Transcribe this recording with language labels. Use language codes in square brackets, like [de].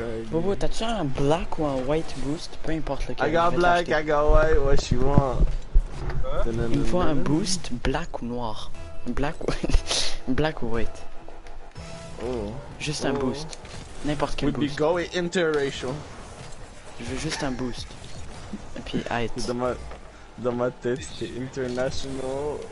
[fr] Bobo, t'as-tu un black ou un white boost? Peu importe lequel. [en] I got black, I got white, what you want? [fr] Il me faut un boost black ou noir. Black ou white. Juste un boost. N'importe quel boost. [en] We'll be going interracial. [fr] Je veux juste un boost. Et puis, hate. Dans ma tête, c'est international.